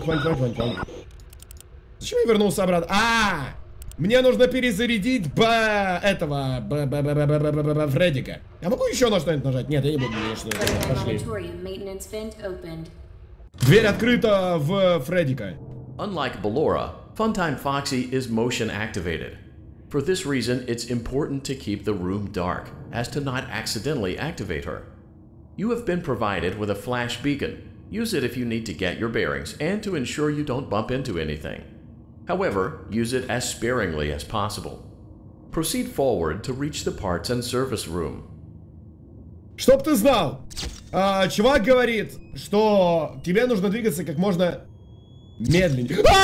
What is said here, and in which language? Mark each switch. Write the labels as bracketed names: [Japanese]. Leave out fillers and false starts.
[Russian] Зачем я вернулся обратно? Мне нужно перезарядить этого Фреддика. Я могу еще на что-нибудь нажать? Нет, я не буду на что-нибудь нажать. Пошли. Дверь открыта в Фреддика. [English] Unlike Ballora, Funtime Foxy is motion activated. For this reason, it's important to keep the room dark, as to not accidentally activate her. You have been provided with a flash beacon. Use it if you need to get your bearings and to ensure you don't bump into anything. However, use it as sparingly as possible. Proceed forward to reach the parts and service room. [Russian] Чтоб ты знал, чувак говорит, что тебе нужно двигаться как можно медленнее.